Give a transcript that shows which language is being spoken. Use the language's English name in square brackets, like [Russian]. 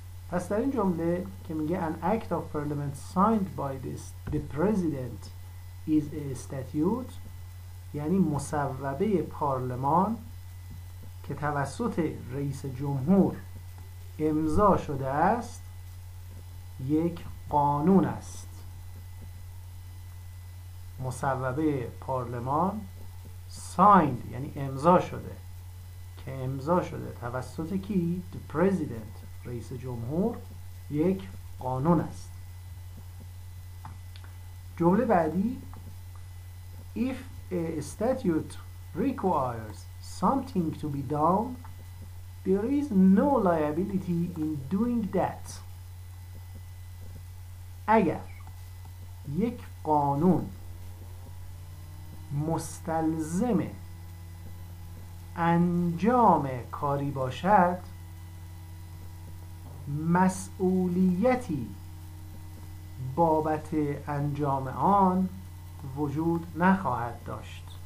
[Persian] پس در این جمله که میگه [English] an act of parliament signed by the president is a statute، [Persian] یعنی مصوبه پارلمان که توسط رئیس جمهور امضا شده است یک قانون است. مصوبه پارلمان signed یعنی امضا شده، که امضا شده توسط کی؟ [English] the president، [Persian] رئیس جمهور، یک قانون است. جمله بعدی [English] if a statute requires something to be done there is no liability in doing that. [Persian] اگر یک قانون مستلزم انجام کاری باشد مسئولیتی بابت انجام آن وجود نخواهد داشت.